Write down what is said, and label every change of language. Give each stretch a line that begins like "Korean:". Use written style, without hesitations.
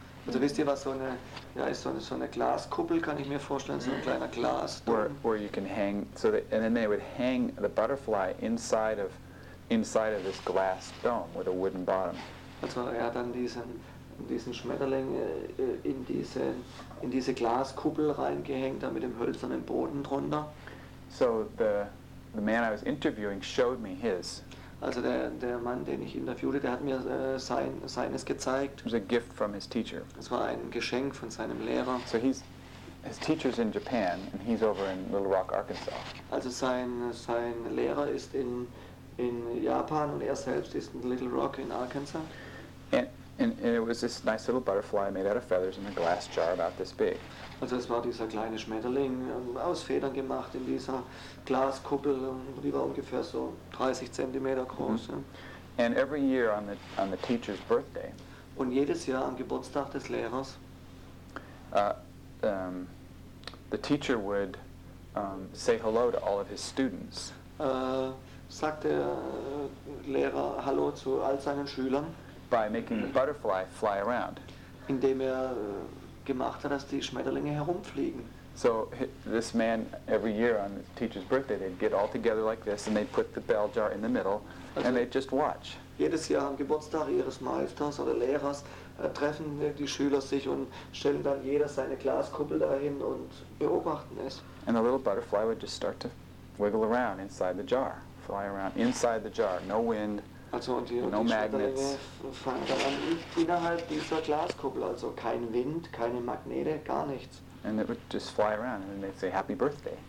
German: Also wisst ihr, was so eine Glaskuppel, kann ich mir vorstellen, so ein kleiner Glas.
English: Where you can hang, and then they would hang the butterfly inside of this glass dome with a wooden bottom.
German: Also er hat dann diesen Schmetterling in diese Glaskuppel reingehängt, da mit dem hölzernen Boden drunter.
English: So the man I was interviewing showed me his.
German: Also der Mann, den ich interviewte, der hat mir seines gezeigt.
English: It was a gift from his teacher.
German: Es war ein Geschenk von seinem Lehrer.
English: So his teacher's in Japan and he's over in Little Rock, Arkansas.
German: Also sein Lehrer ist in Japan und er selbst ist in Little Rock in Arkansas.
English: And it was this nice little butterfly made out of feathers in a glass jar about this big.
German: Also es war dieser kleine Schmetterling aus Federn gemacht in dieser Glaskuppel, die war ungefähr so 30 cm groß. Mm-hmm.
English: And every year on the teacher's birthday.
German: Und jedes Jahr am Geburtstag des Lehrers.
English: The teacher would say hello to all of his students.
German: Sagt der Lehrer Hallo zu all seinen Schülern.
English: by making the butterfly fly around.
German: Indem er gemacht hat, dass die Schmetterlinge herumfliegen.
English: So this man, every year on the teacher's birthday, they'd get all together like this, and they'd put the bell jar in the middle, also and they'd just watch.
German: Jedes Jahr am Geburtstag ihres Meisters oder Lehrers treffen die Schüler sich und stellen dann jeder seine Glaskuppel dahin und beobachten es.
English: And the little butterfly would just start to wiggle around inside the jar, fly around inside the jar, no wind,
German: also und die,
English: no
German: die
English: magnets.
German: Fangen dann an, innerhalb dieser Glaskuppel, also kein Wind, keine Magnete, gar nichts.
English: And it would just fly around, and they'd say, "Happy birthday!"